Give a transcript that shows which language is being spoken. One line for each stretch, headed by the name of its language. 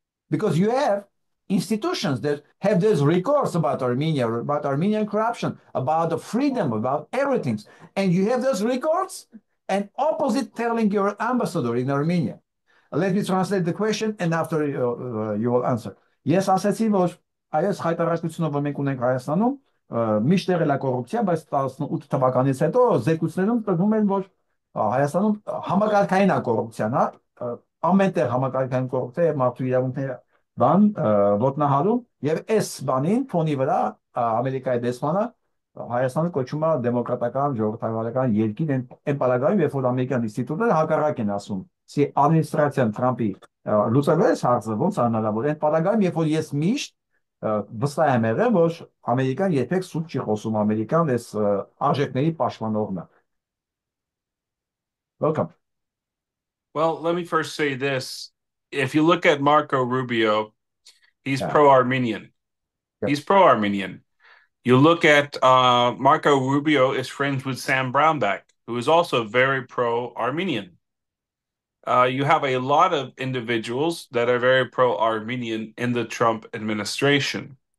English: Because you have institutions that have this recourse about Armenia, about Armenian corruption, about the freedom, about everything. And you have those records and opposite telling your ambassador in Armenia. Let me translate the question and after you will answer.
Armenian: Ես ասացի, որ այս հայտարարությունը, որ մենք ունենք Հայաստանում, միշտ եղել է կոռուպցիա, բայց 18 թվականից հետո զեկույցներում տրվում են, որ Հայաստանում համակարգային է կոռուպցիան, հա, ամենտեղ համակարգային կոռուպցիա է, մարդու իրավունքները բան ոտնահարում, եւ այս բանին ֆոնի վրա Ամերիկայի դեսպանը Հայաստանը կոչում է դեմոկրատական ժողովրդավարական երկիր, այն պարագայում, երբ որ ամերիկյան ինստիտուտները հակառակ են ասում սի ադմինիստրացիան Թրամփի լուսավորեց հարցը, ոնց հնարավոր է պարագայում, երբ որ ես միշտ վստահ եմ եղել, որ ամերիկան երբեք սուտ չի խոսում, ամերիկան այս արժեքների պաշտպանողն է։
English: Welcome. Well, let me first say this. If you look at Marco Rubio, he's pro-Armenian. He's pro-Armenian. You look at Marco Rubio is friends with Sam Brownback, who is also very pro-Armenian. You have a lot of individuals that are very pro-Armenian in the Trump administration.